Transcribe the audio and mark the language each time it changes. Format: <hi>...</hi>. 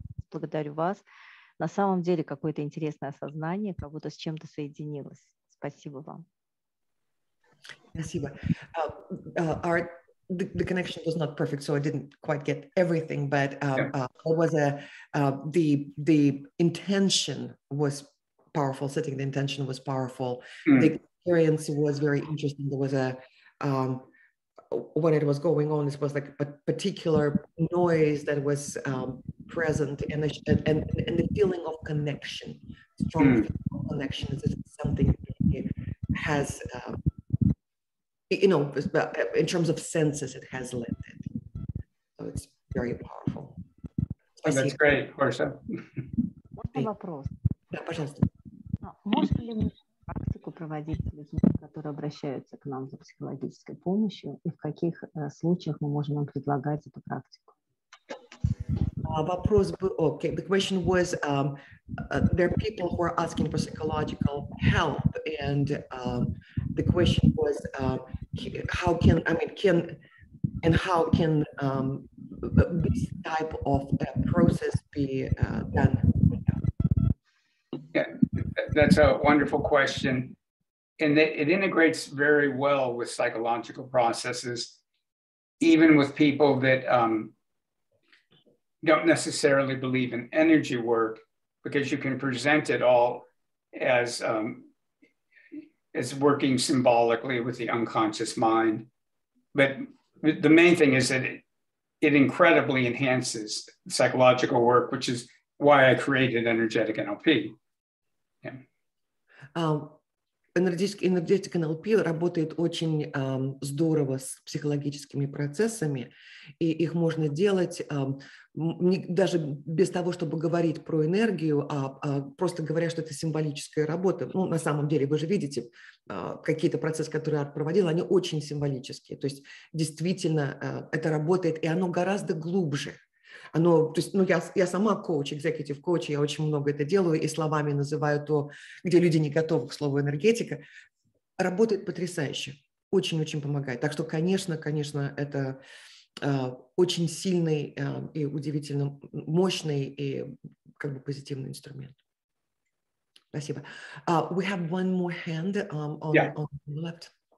<ru>Благодарю вас. На самом деле какое-то интересное осознание, как будто с чем-то соединилось. Спасибо вам. Спасибо.</ru> <en>The connection was not perfect, so I didn't quite get everything, but what was the intention was powerful, setting the intention was powerful. Mm-hmm. The experience was very interesting. There was a when it was going on, it was like a particular noise that was present, and the feeling of connection, strong connection, is something it has, you know, in terms of senses, it has lifted. So it's very powerful. That's great, Marcia.</en> <ru>Вопрос. Да, пожалуйста. Можно ли мы практику проводить с людьми, которые обращаются к нам за психологической помощью, и в каких случаях мы можем им предлагать эту практику? Вопрос был,</ru> <en>okay, the question was, there are people who are asking for psychological help, and the question was, how can this type of process be done? Yeah, that's a wonderful question, and it integrates very well with psychological processes, even with people that don't necessarily believe in energy work, because you can present it all as working symbolically with the unconscious mind. But the main thing is that it incredibly enhances psychological work, which is why I created Energetic NLP. Yeah.</en> <ru>Энергетика НЛП работает очень здорово с психологическими процессами, и их можно делать даже без того, чтобы говорить про энергию, а просто говоря, что это символическая работа. Ну, на самом деле, вы же видите, какие-то процессы, которые Арт проводил, они очень символические. То есть действительно это работает, и оно гораздо глубже. Я сама коуч, экзекутив коуч, я очень много это делаю и словами называю то, где люди не готовы к слову энергетика. Работает потрясающе, очень-очень помогает. Так что, конечно, это очень сильный и удивительно мощный и как бы позитивный инструмент. Спасибо.</ru> <en>We have one more hand on the left.</en>